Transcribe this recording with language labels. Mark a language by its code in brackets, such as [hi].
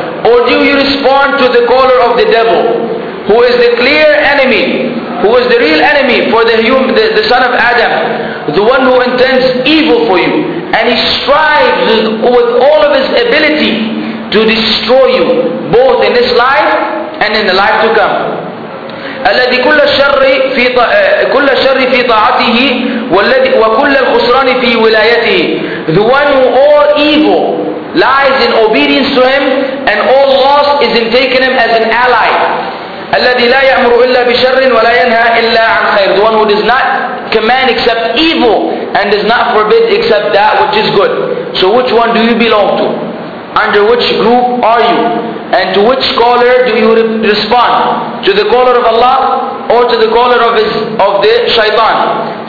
[en] Or do you respond to the caller of the devil who is the clear enemy, who is the real enemy for the human, the son of Adam, the one who intends evil for you, and he strives with all of his ability to destroy you, both in this life and in the life to come. [ar] الذي كل الشر في كل الشر في طاعته والذي وكل الخسران في ولايته. [en] The one who all evil lies in obedience to him, and all loss is in taking him as an ally. [ar] الذي لا يأمر إلا بشر ولا ينهى إلا عن خير. [en] The one who does not command except evil and does not forbid except that which is good. So which one do you belong to? Under which group are you? And to which caller do you respond? To the caller of Allah or to the caller of the shaitan?